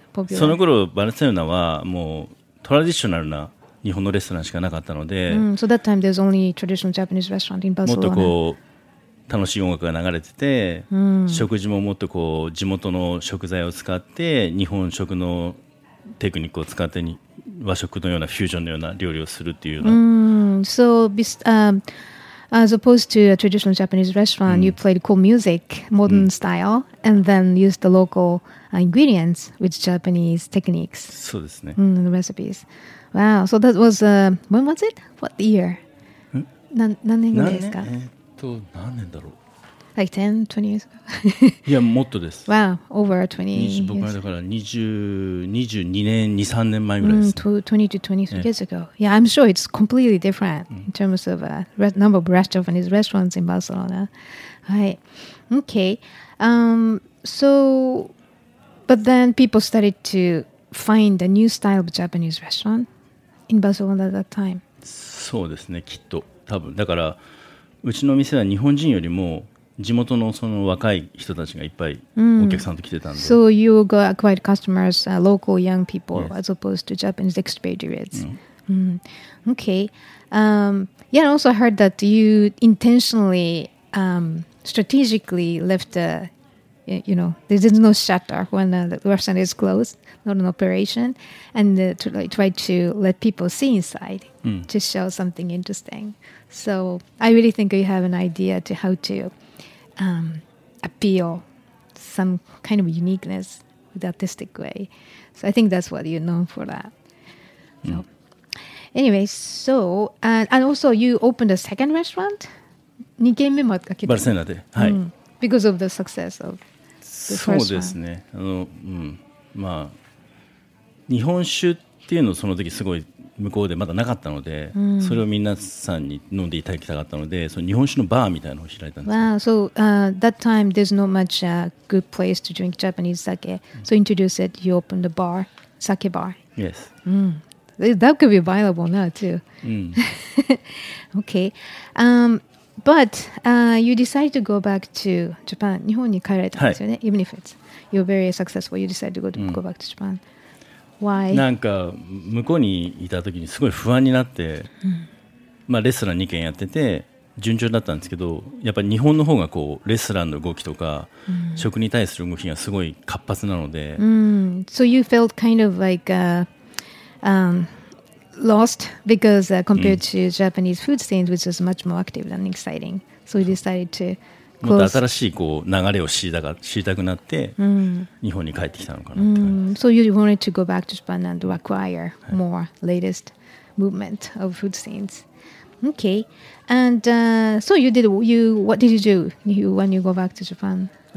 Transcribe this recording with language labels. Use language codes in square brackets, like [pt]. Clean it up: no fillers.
[ja] その頃バルセロナはもうトラディショナルな日本のレストランしかなかったので、 [en] うん、so that time there's only traditional Japanese restaurant in Barcelona. [ja] もっとこう楽しい音楽が流れてて、うん、食事ももっとこう地元の食材を使って日本食のテクニックを使ってに和食のようなフュージョンのような料理をするっていうような、 [en] うん、so this As opposed to a traditional Japanese restaurant, you played cool music, modern style, and then used the local ingredients with Japanese techniques. [ja] そうですね。 [en] The recipes. Wow. So that was, when was it? What year? [ja] 何年ぐらいですか? 何年だろう? [en] Like 10, 20 years ago? [ja] いや、もっとです。 [en] Wow. Over 20 years. [ja] 僕はだから22年前ぐらいです。 [en] 20 to 23 years ago. Yeah, I'm sure it's completely different in terms of number of Japanese restaurants in Barcelona. Right. Okay. But then people started to find a new style of Japanese restaurant in Barcelona at that time. [ja] そうですね、きっと。多分。だから、うちの店は日本人よりも地元のその若い人たちがいっぱいお客さんと来てたんで、 [en] So you got acquired customers, local young people, yes. as opposed to Japanese expatriates. Okay. Yeah, I also heard that you intentionally, strategically left the, you know, there is no shutter when the restaurant is closed, not an operation, and try to let people see inside to show something interesting. So I really think you have an idea to how to appeal some kind of uniqueness with the artistic way. So I think that's what you're known for that. So, anyway, so, and also you opened a second restaurant? [ja] 2軒目も開けた。バルセロナで。はい。 [en] Because of the success of the first one. [ja] そうですね。まあ、日本酒っていうのその時すごい向こうでまだなかったので、それを皆さんに飲んでいただきたかったので、その日本酒のバーみたいなのを開いたんです。 [en] Wow, so that time there's not much a good place to drink Japanese sake. So introduce it. You open the bar, sake bar. Yes. That could be available now too. okay. You decided to go back to Japan. [ja] 日本に帰られたんですよね。はい、 [en] Even if it's you're very successful, you decided to go back to Japan. Why? [ja] なんか向こうにいた時にすごい不安になって、まあレストラン2軒やってて順調だったんですけど、やっぱり日本の方がこうレストランの動きとか食に対する動きがすごい活発なので、 [en] So you felt kind of like lost because compared to Japanese food scene, which is much more active and exciting, so you decided to [ja] もっと新しいこう流れを知りたくなって日本に帰ってきたのかなって感じ。 [en] So you wanted to go back to Japan and acquire more latest movement of food scenes. Okay. And so you did. You what did you do you, when you go back to Japan?